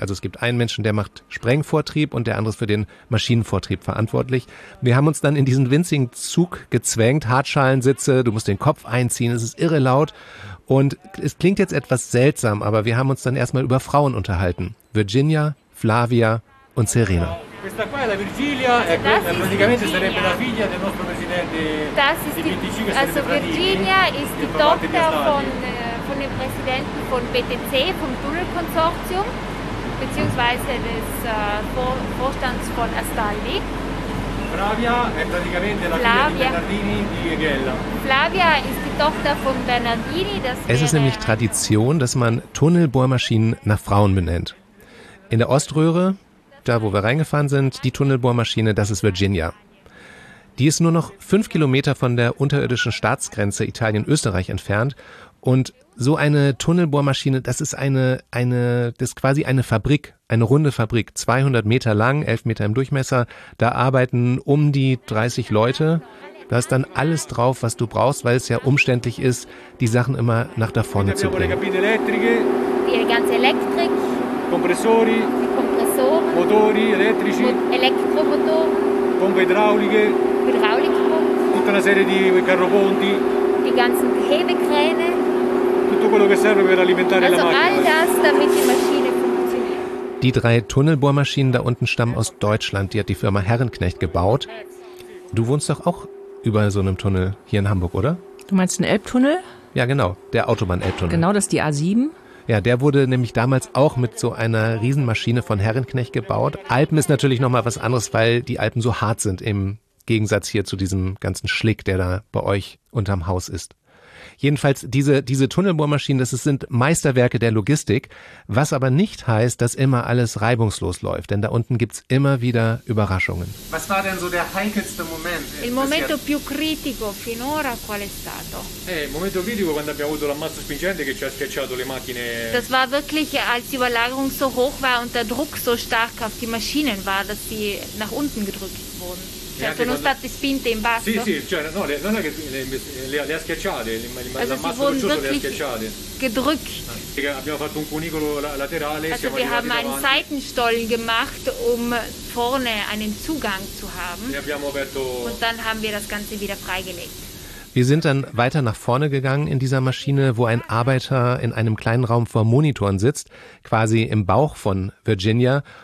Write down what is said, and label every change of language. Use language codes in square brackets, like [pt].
[de] Also es gibt einen Menschen, der macht Sprengvortrieb und der andere ist für den Maschinenvortrieb verantwortlich. Wir haben uns dann in diesen winzigen Zug gezwängt, Hartschalensitze, du musst den Kopf einziehen, es ist irre laut. Und es klingt jetzt etwas seltsam, aber wir haben uns dann erstmal über Frauen unterhalten. Virginia, Flavia und Serena. [it] Questa qua è la Virgilia, praticamente sarebbe la figlia del nostro presidente. [de] Das ist also Virginia ist die Tochter von dem Präsidenten von BTC, vom Tunnelkonsortium, beziehungsweise des Vorstands von Astaldi. [it] Flavia è praticamente la figlia di Bernardini di Gella. [de] Flavia ist die Tochter von Bernardini. Es ist nämlich Tradition, dass man Tunnelbohrmaschinen nach Frauen benennt. In der Oströhre, da wo wir reingefahren sind, die Tunnelbohrmaschine, das ist Virginia. Die ist nur noch 5 Kilometer von der unterirdischen Staatsgrenze Italien-Österreich entfernt. Und so eine Tunnelbohrmaschine, das ist eine Fabrik, eine runde Fabrik, 200 Meter lang, 11 Meter im Durchmesser. Da arbeiten um die 30 Leute. Da ist dann alles drauf, was du brauchst, weil es ja umständlich ist, die Sachen immer nach da vorne zu bringen. Die ganze Elektrik, Kompressoren, [it] Motori, elettrici, [de] Elektromotoren, [it] Pompe idrauliche, tutta una serie di carroponti, [de] die ganzen Hebekräne, [it] tutto quello che serve per alimentare [de] also [it] la macchina. [de] All das, damit die Maschine funktioniert. Die drei Tunnelbohrmaschinen da unten stammen aus Deutschland. Die hat die Firma Herrenknecht gebaut. Du wohnst doch auch über so einem Tunnel hier in Hamburg, oder? Du meinst den Elbtunnel? Ja, genau, der Autobahn-Elbtunnel. Genau, das ist die A7. Ja, der wurde nämlich damals auch mit so einer Riesenmaschine von Herrenknecht gebaut. Alpen ist natürlich nochmal was anderes, weil die Alpen so hart sind im Gegensatz hier zu diesem ganzen Schlick, der da bei euch unterm Haus ist. Jedenfalls diese Tunnelbohrmaschinen, das sind Meisterwerke der Logistik, was aber nicht heißt, dass immer alles reibungslos läuft, denn da unten gibt's immer wieder Überraschungen. Was war denn so der heikelste Moment? [it] Il momento più critico finora qual è stato? Il momento critico quando abbiamo avuto l'ammasso spingente che ci ha schiacciato le macchine. [de] Das war wirklich, als die Überlagerung so hoch war und der Druck so stark auf die Maschinen war, dass sie nach unten gedrückt wurden. [it] Cioè, sono state spinte in basso? Sì, sì, cioè, no, non è che le ha schiacciate, l'ammasso bruciato le ha schiacciate. [de] Gedrückt. [it] Abbiamo fatto un cunicolo laterale. [de] Also, wir haben einen Seitenstollen gemacht, um vorne einen Zugang zu haben. [it] E abbiamo aperto. [de] Und dann haben wir das Ganze wieder freigelegt. Wir sind dann weiter nach vorne gegangen in dieser Maschine, wo ein Arbeiter in einem kleinen Raum vor Monitoren sitzt, quasi im Bauch von Virginia.